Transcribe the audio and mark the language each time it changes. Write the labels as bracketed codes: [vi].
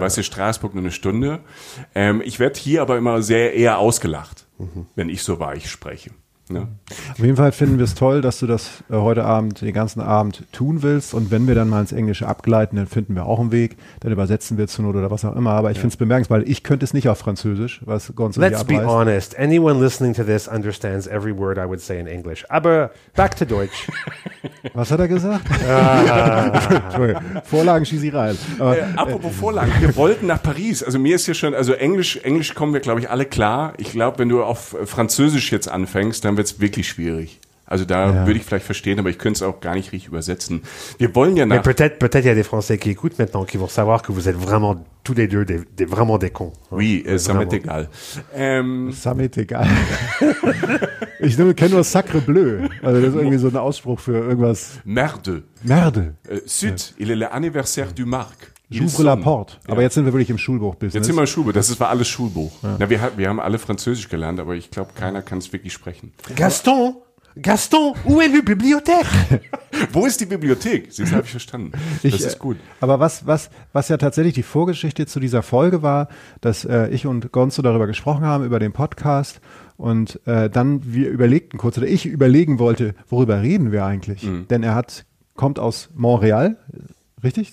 [de] Weißt du, Straßburg nur eine Stunde. Ich werde hier aber immer sehr eher ausgelacht, wenn ich so weich spreche. Ja. Auf jeden Fall finden wir es toll, dass du das heute Abend, den ganzen Abend tun willst und wenn wir dann mal ins Englische abgleiten, dann finden wir auch einen Weg, dann übersetzen wir es zur Not oder was auch immer, aber ich finde es bemerkenswert, weil ich könnte es nicht auf Französisch, was Gonzo hier abreißt. [en] Let's be honest, anyone listening to this understands every word I would say in English, [de] aber [en] back to Deutsch. [de] Was hat er gesagt? Vorlagen schieße ich rein. Apropos Vorlagen, wir wollten nach Paris, also mir ist hier schon, also Englisch kommen wir glaube ich alle klar, ich glaube, wenn du auf Französisch jetzt anfängst, dann wird es wirklich schwierig. Also da würde ich vielleicht verstehen, aber ich könnte es auch gar nicht richtig übersetzen. Wir wollen ja nach... [fr] Mais peut-être y a des Français qui écoutent maintenant, qui vont savoir que vous êtes vraiment tous les deux des vraiment des cons. Oui, ça m'est égal. Ça m'est égal. [de] Ich kenne nur Sacre Bleu. Also das ist irgendwie so ein Ausspruch für irgendwas. [fr] Merde. Merde. Süd, il est l'anniversaire du Marc. J'ouvre la porte. [de] Aber jetzt sind wir wirklich im Schulbuch-Business. Jetzt sind wir im Schulbuch. Das war alles Schulbuch. Ja. Na, wir haben alle Französisch gelernt, aber ich glaube, keiner kann es wirklich sprechen. [fr] Gaston, où est la bibliothèque? [de] Wo ist die Bibliothek? Das habe ich verstanden. Das ist gut. Aber was ja tatsächlich die Vorgeschichte zu dieser Folge war, dass ich und Gonzo darüber gesprochen haben, über den Podcast. Und dann wir überlegten kurz, oder ich überlegen wollte, worüber reden wir eigentlich? Mhm. Denn er kommt aus Montreal, richtig?